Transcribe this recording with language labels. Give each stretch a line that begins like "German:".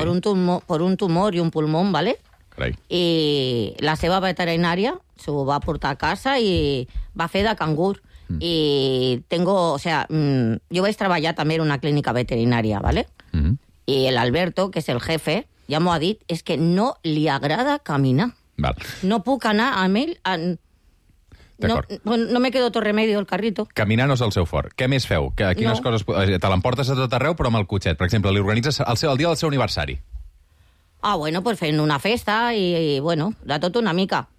Catalan: Per un tumor i un pulmó, ¿vale? Carai. I la seva veterinària s'ho va portar a casa i va fer de cangur. Mm. I
Spanish: tengo, o sea,
Catalan: jo vaig treballar també en una clínica veterinària, ¿vale? Mm. I el Alberto, que és el jefe, ja m'ho ha dit, és que no li agrada caminar. Val. No puc anar amb ell...
Spanish: No me quedo otro remedio, el carrito.
Catalan: Caminar no és el seu fort. Què més feu? Quines coses... Te l'emportes a tot arreu, però amb el cotxet. Per exemple, li organitzes el dia del seu aniversari. Ah, bueno, pues fent una festa i, bueno, de tot una mica.